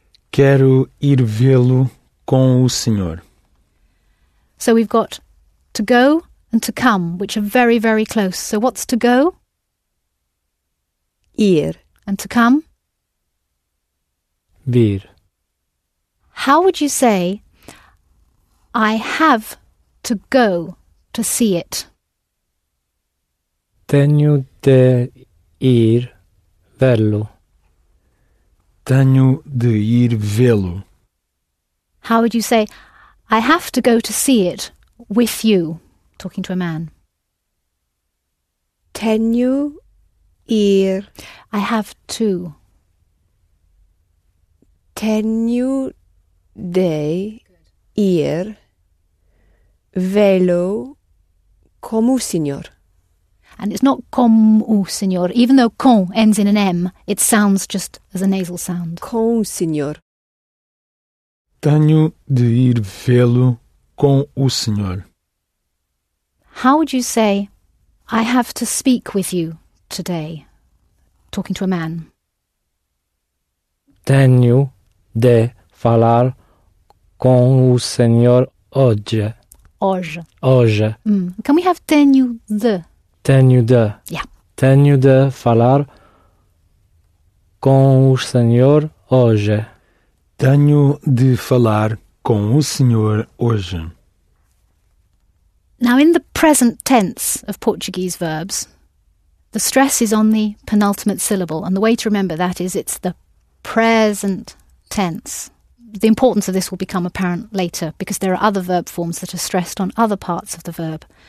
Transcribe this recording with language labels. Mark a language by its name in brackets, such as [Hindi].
[Portuguese] Quero ir vê-lo com o senhor. [English] So we've got to go and to come, which are very, very close. So what's to go? [Portuguese] Ir. [English] And to come? [Portuguese] Vir. [English] How would you say, I have to go to see it? [Portuguese] Tenho de ir vê-lo. Tenho de ir vê-lo. [English] How would you say, I have to go to see it with you, talking to a man? [Portuguese] Tenho ir. [English] I have to. [Portuguese] Tenho de ir vê-lo com o senhor. [English] And it's not [Portuguese] com o senhor. [English] Even though com ends in an M, it sounds just as a nasal sound. [Portuguese] Com o senhor. Tenho de ir vê-lo com o senhor. [English] How would you say, I have to speak with you today? Talking to a man. [Portuguese] Tenho de falar com o senhor hoje. Hoje. Hoje. [English] Mm. Can we have [Portuguese] tenho de? Tenho de. [English] Yeah. [Portuguese] Tenho de falar com o senhor hoje. Tenho de falar com o senhor hoje. [English] Now, in the present tense of Portuguese verbs, the stress is on the penultimate syllable, and the way to remember that is it's the present tense. The importance of this will become apparent later, because there are other verb forms that are stressed on other parts of the verb.